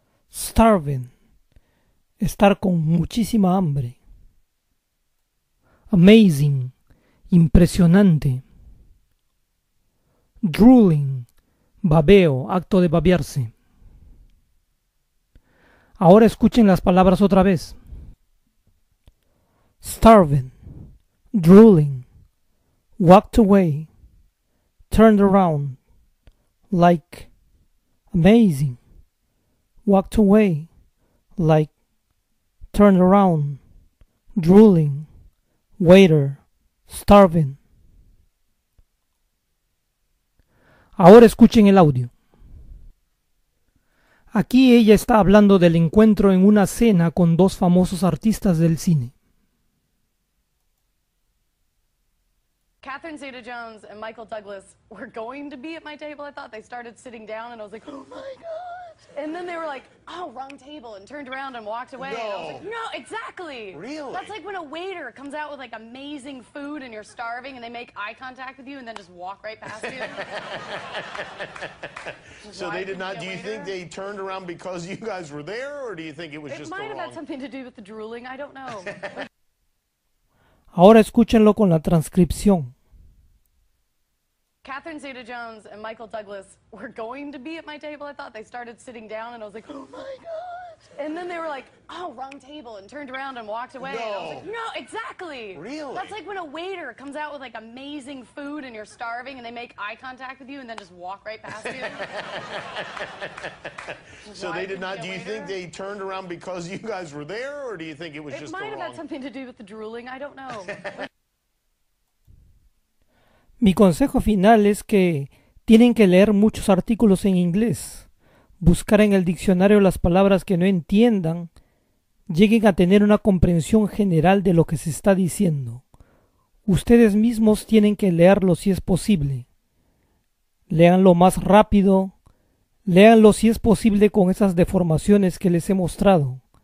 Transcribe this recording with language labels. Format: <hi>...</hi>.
<es>Starving, estar con muchísima hambre. Amazing, impresionante. Drooling, babeo, acto de babearse. Ahora escuchen las palabras otra vez.</es> <en>Starving, drooling, walked away, turned around, like, amazing, walked away, like, turned around, drooling, waiter, Starving.</en> <es>Ahora escuchen el audio. Aquí ella está hablando del encuentro en una cena con dos famosos artistas del cine.</es> <en>Catherine Zeta-Jones and Michael Douglas were going to be at my table, I thought. They started sitting down and I was like, oh my God. And then they were like, oh, wrong table, and turned around and walked away. No. And I was like, no, exactly. Really? That's like when a waiter comes out with like amazing food and you're starving and they make eye contact with you and then just walk right past you. So they did not, do you think they turned around because you guys were there, or do you think it was just the wrong? It might have had something to do with the drooling, I don't know.</en> <es>Ahora escúchenlo con la transcripción.</es> <en>Catherine Zeta-Jones and Michael Douglas were going to be at my table, I thought. They started sitting down and I was like, oh my God. And then they were like, oh, wrong table, and turned around and walked away. No. And I was like, no, exactly. Really? That's like when a waiter comes out with like amazing food and you're starving and they make eye contact with you and then just walk right past you. So they did not, do you think they turned around because you guys were there, or do you think it was just the wrong? It might have had something to do with the drooling, I don't know.</en> <es>Mi consejo final es que tienen que leer muchos artículos en inglés. Buscar en el diccionario las palabras que no entiendan, lleguen a tener una comprensión general de lo que se está diciendo. Ustedes mismos tienen que leerlo si es posible. Léanlo más rápido, léanlo si es posible con esas deformaciones que les he mostrado.</es>